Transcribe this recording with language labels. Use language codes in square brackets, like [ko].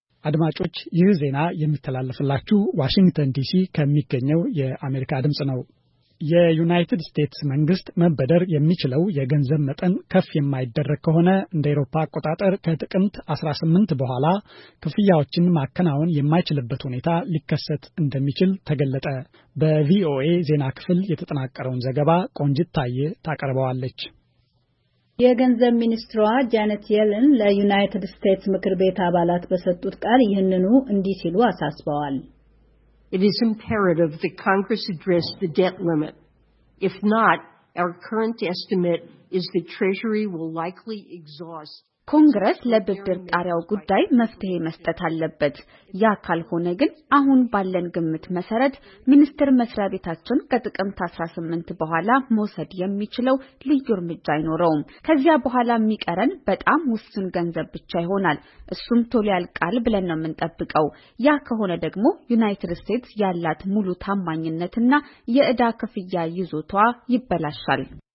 [am] አድማጮች፣ ይህ ዜና የሚተላለፍላችሁ ዋሽንግተን ዲሲ ከሚገኘው የአሜሪካ ድምጽ ነው። የዩናይትድ ስቴትስ መንግስት መበደር የሚችለው የገንዘብ መጠን ከፍ የማይደረግ ከሆነ እንደ አውሮፓ አቆጣጠር ከጥቅምት 18 በኋላ ክፍያዎችን ማከናወን የማይችልበት ሁኔታ ሊከሰት እንደሚችል ተገለጠ። በቪኦኤ ዜና ክፍል የተጠናቀረውን ዘገባ ቆንጅት ታዬ ታቀርባለች። የገንዘብ ሚኒስትሯ ጃኔት የለን ለዩናይትድ ስቴትስ ምክር ቤት አባላት በሰጡት ቃል ይህንኑ እንዲህ ሲሉ አሳስበዋል። [en] It is imperative that Congress address the debt limit. If not, our current estimate is that Treasury will likely exhaust. [am] Congress ለብድር ጣሪያው ጉዳይ መፍትሄ መስጠት አለበት። ያ ካልሆነ ግን አሁን ባለን ግምት መሰረት ሚኒስትር መስሪያ ቤታችን ከጥቅምት 18 በኋላ መውሰድ የሚችለው ልዩ እርምጃ አይኖረውም። ከዚያ በኋላ የሚቀረን በጣም ውስን ገንዘብ ብቻ ይሆናል። እሱም ቶሎ ያልቃል ብለን ነው የምንጠብቀው። ያ ከሆነ ደግሞ ዩናይትድ ስቴትስ ያላት ሙሉ ታማኝነትና የዕዳ ክፍያ ይዞቷ ይበላሻል።